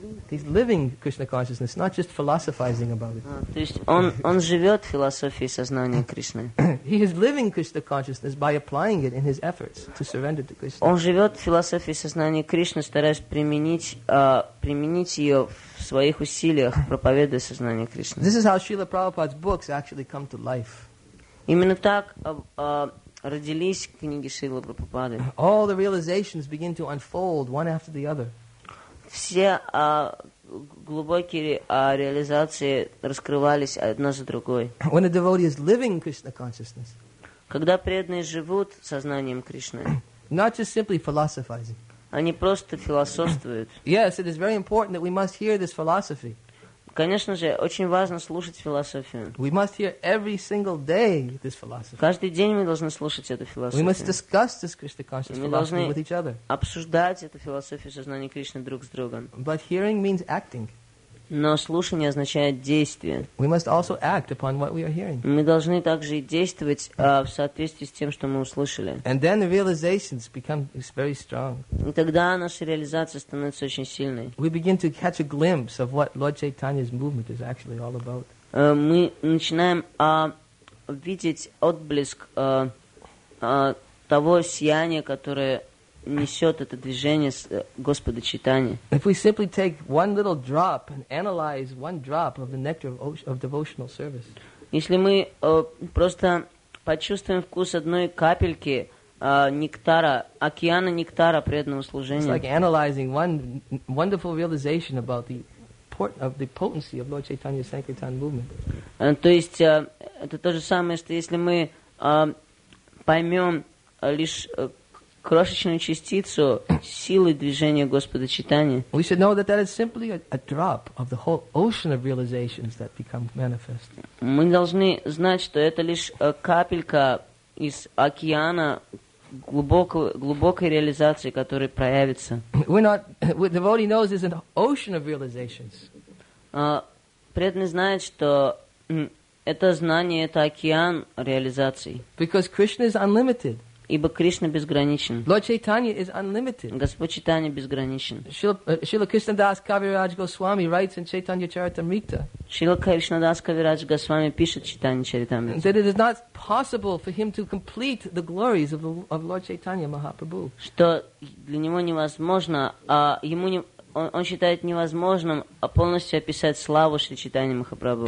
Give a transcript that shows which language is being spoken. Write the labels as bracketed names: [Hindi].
[English] He's living Krishna consciousness, not just philosophizing about it. [Russian] То есть он живет философией сознания Кришны. [English] He is living Krishna consciousness by applying it in his efforts to surrender to Krishna. [Russian] Он живет философией сознания Кришны, стараясь применить ее в своих усилиях, проповедуя сознание Кришны. [English] This is how Srila Prabhupada's books actually come to life. [Russian] Именно так родились книги Шрилы Прабхупады. [English] All the realizations begin to unfold one after the other. [Russian] Все глубокие реализации раскрывались одна за другой. [English] When a devotee is living Krishna consciousness. [Russian] Когда преданные живут сознанием Кришны. [English] Not just simply philosophizing. [Russian] Они просто философствуют. [English] Yes, it is very important that we must hear this philosophy. [Russian] Конечно же, очень важно слушать философию. [English] We must hear every single day this philosophy. [Russian] Каждый день мы должны слушать эту философию. [English] We must discuss this Krishna consciousness philosophy with each other. [Russian] Мы должны обсуждать эту философию сознания Кришны друг с другом. [English] But hearing means acting. [Russian] Но слушание означает действие. [English] We must also act upon what we are hearing. [Russian] Мы должны также и действовать в соответствии с тем, что мы услышали. [English] And then the realizations become very strong. [Russian] И тогда наша реализация становится очень сильной. [English] We begin to catch a glimpse of what Lord Chaitanya's movement is actually all about. [Russian] Мы начинаем видеть отблеск того сияния, которое несет это движение Господа Чайтани. [English] If we simply take one little drop and analyze one drop of the nectar of devotional service. [Russian] Если мы просто почувствуем вкус одной капельки нектара, океана нектара преданного служения. [English] It's like analyzing one wonderful realization about the potency of Lord Chaitanya Sankirtan movement. [Russian] То есть это то же самое, что если мы поймем лишь крошечную частицу силы движения Господа Чайтани. [English] We should know that that is simply a drop of the whole ocean of realizations that become manifest. [Russian] Мы должны знать, что это лишь капелька из океана глубокой реализации, которая проявится. [English] What the devotee knows is an ocean of realizations. [Russian] Преданный знает, что это знание, это океан реализаций. [English] Because Krishna is unlimited. [Russian] Ибо Кришна безграничен. [English] Lord Chaitanya is unlimited. [Russian] Господь Чайтанья безграничен. [English] Шрила Кришнадас Кавирадж Госвами writes in Chaitanya Charitamrita. [Russian] Шрила Кришнадас Кавирадж Госвами пишет в Чайтанья Чаритамрите. [English] That it is not possible for him to complete the glories of Lord Chaitanya Mahaprabhu. [Russian] Что для него невозможно, он считает невозможным полностью описать славу Шри Чайтанья Махапрабху.